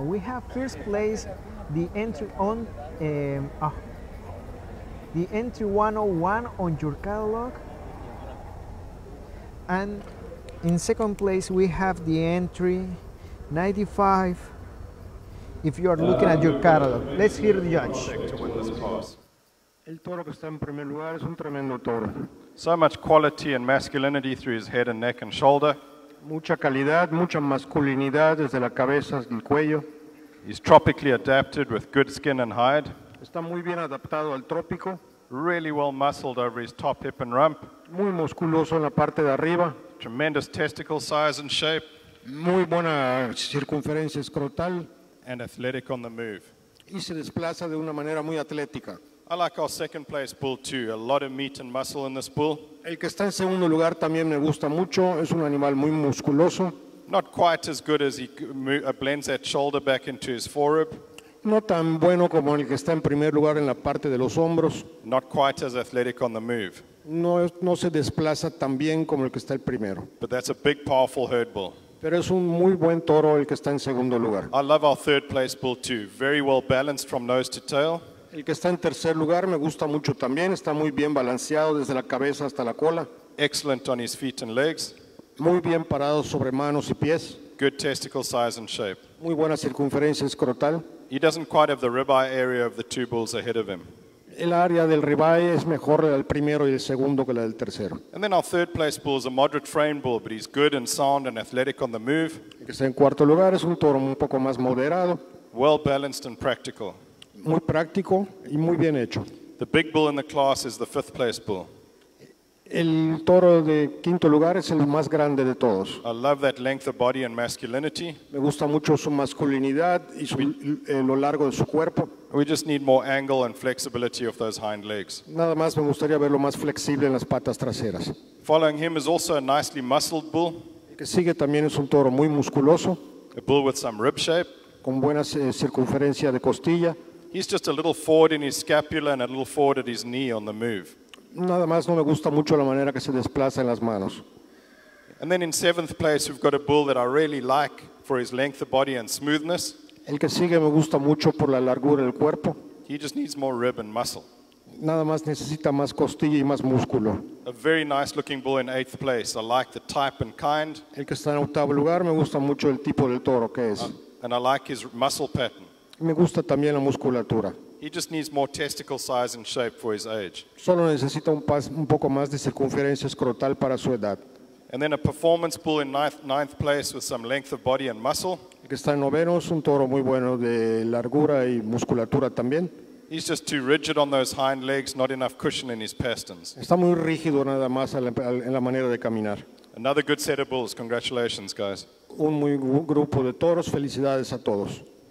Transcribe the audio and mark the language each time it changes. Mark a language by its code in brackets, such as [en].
[en] We have first place, the entry 101 on your catalog. And in second place, we have the entry 95, if you are looking at your catalog. Let's hear the judge. [es] El toro que está en primer lugar es un tremendo toro. [en] So much quality and masculinity through his head and neck and shoulder. [es] Mucha calidad, mucha masculinidad desde la cabeza y el cuello. [en] He's tropically adapted with good skin and hide. [es] Está muy bien adaptado al trópico. [en] Really well muscled over his top hip and rump. [es] Muy musculoso en la parte de arriba. [en] Tremendous testicle size and shape. [es] Muy buena circunferencia escrotal. [en] And athletic on the move. [es] Y se desplaza de una manera muy atlética. [en] I like our second place bull too. A lot of meat and muscle in this bull. [es] El que está en segundo lugar también me gusta mucho. Es un animal muy musculoso. [en] Not quite as good as he blends that shoulder back into his forerib. [es] No tan bueno como el que está en primer lugar en la parte de los hombros. [en] Not quite as athletic on the move. [es] No se desplaza tan bien como el que está el primero. [en] But that's a big, powerful herd bull. [es] Pero es un muy buen toro el que está en segundo lugar. [en] I love our third place bull too. Very well balanced from nose to tail. [es] El que está en tercer lugar me gusta mucho también. Está muy bien balanceado desde la cabeza hasta la cola. [en] Excellent on his feet and legs. [es] Muy bien parado sobre manos y pies. [en] Good testicle size and shape. [es] Muy buena circunferencia escrotal. [en] He doesn't quite have the ribeye area of the two bulls ahead of him. [es] El área del ribeye es mejor el primero y el segundo que la del tercero. [en] And then our third place bull is a moderate frame bull, but he's good and sound and athletic on the move. [es] El que está en cuarto lugar es un toro un poco más moderado. [en] Well balanced and practical. [es] Muy práctico y muy bien hecho. [en] The big bull in the class is the fifth place bull. [es] El toro de quinto lugar es el más grande de todos. [en] I love that length of body and masculinity. [es] Me gusta mucho su masculinidad y su, lo largo de su cuerpo. [en] We just need more angle and flexibility of those hind legs. [es] Nada más me gustaría verlo más flexible en las patas traseras. [en] Following him is also a nicely muscled bull. [es] El que sigue también es un toro muy musculoso. [en] A bull with some rib shape. [es] Con buena circunferencia de costilla. [en] He's just a little forward in his scapula and a little forward at his knee on the move. [es] Nada más no me gusta mucho la manera que se desplaza en las manos. [en] And then in seventh place we've got a bull that I really like for his length of body and smoothness. [es] El que sigue me gusta mucho por la largura del cuerpo. [en] He just needs more rib and muscle. [es] Nada más necesita más costilla y más músculo. [en] A very nice looking bull in eighth place. I like the type and kind. [es] El que está en octavo lugar me gusta mucho el tipo del toro que es. [en] And I like his muscle pattern. [es] Me gusta también la musculatura. [en] He just needs more testicle size and shape for his age. [es] Solo necesita un poco más de circunferencia escrotal para su edad. [en] And then a performance bull in ninth place with some length of body and muscle. [es] El que está en noveno es un toro muy bueno de largura y musculatura también. [en] He's just too rigid on those hind legs, not enough cushion in his pastons. [es] Está muy rígido nada más en la manera de caminar. [en] Another good set of bulls. Congratulations, guys. [es] Un muy buen grupo de toros. Felicidades a todos.